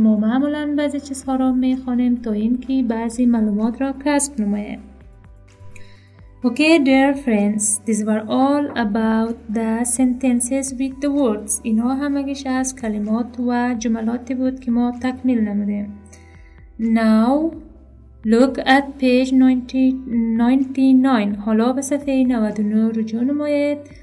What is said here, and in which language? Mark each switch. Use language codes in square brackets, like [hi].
[fa] ما معمولاً بعضی چیزها را میخونیم تا اینکه بعضی معلومات را کسب نماییم. [en] Okay, dear friends, these were all about the sentences with the words. [fa] اینا همگیش از کلمات و جملاتی بود که ما تکمیل نمودیم. [en] Now, look at page 99. [fa] حالا به صفحه 99 رجوع نمایید.